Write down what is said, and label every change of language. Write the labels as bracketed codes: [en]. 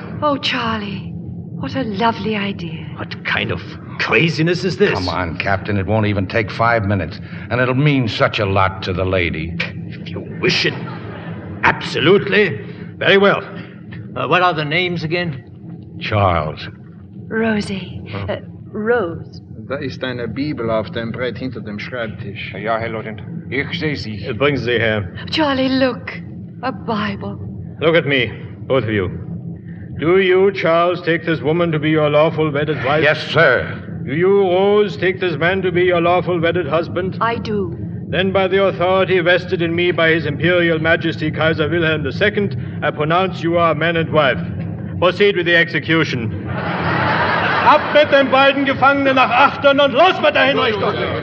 [en] Oh, Charlie, what a lovely idea. What kind of craziness is this? Come on, Captain, it won't even take 5 minutes. And it'll mean such a lot to the lady. If you wish it. Absolutely. Very well. What are the names again? Charles. Rosie. Rose. [de] Da ist eine Bibel auf dem Brett hinter dem Schreibtisch. Ja, Herr Leutnant. Ich sehe sie. Bring sie her. [en] Charlie, look. A Bible. Look at me, both of you. Do you, Charles, take this woman to be your lawful wedded wife? Yes, sir. Do you, Rose, take this man to be your lawful wedded husband? I do. Then by the authority vested in me by His Imperial Majesty Kaiser Wilhelm II, I pronounce you are man and wife. Proceed with the execution. [de] Ab mit den beiden Gefangenen nach Achtern und los mit der Hinrichtung!